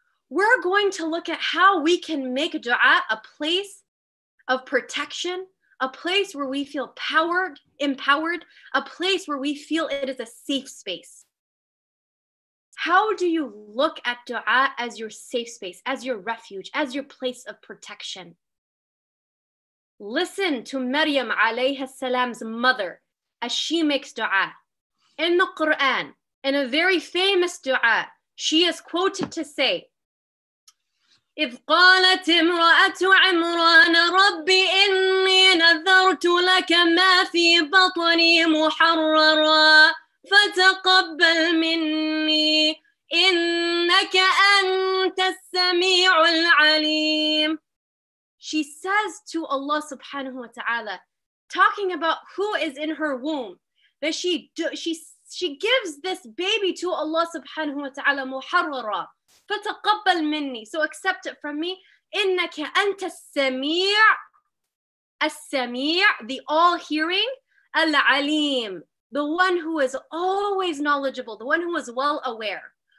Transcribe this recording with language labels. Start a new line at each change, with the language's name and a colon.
English: We're going to look at how we can make dua a place of protection, a place where we feel empowered, a place where we feel it is a safe space. How do you look at dua as your safe space, as your refuge, as your place of protection? Listen to Maryam alayhi salam's mother as she makes dua. In the Quran, in a very famous dua, she is quoted to say,
Arabic: إِذْ قَالَتِ امْرَأَةُ عِمْرَانَ رَبِّ إِنِّي نَذَرْتُ لَكَ مَا فِي بَطْنِي مُحَرَّرًا فَتَقَبَّلْ مِنِّي إِنَّكَ أَنْتَ السَّمِيعُ الْعَلِيمُ.
English: She says to Allah subhanahu wa ta'ala, talking about who is in her womb, that she gives this baby to Allah subhanahu wa ta'ala,
Arabic: muharrara, fataqabbal minni,
English: so accept it from me.
Arabic: Innaka anta as-sami' as-sami'
English: the all-hearing, al-alim, the one who is always knowledgeable, the one who is well aware.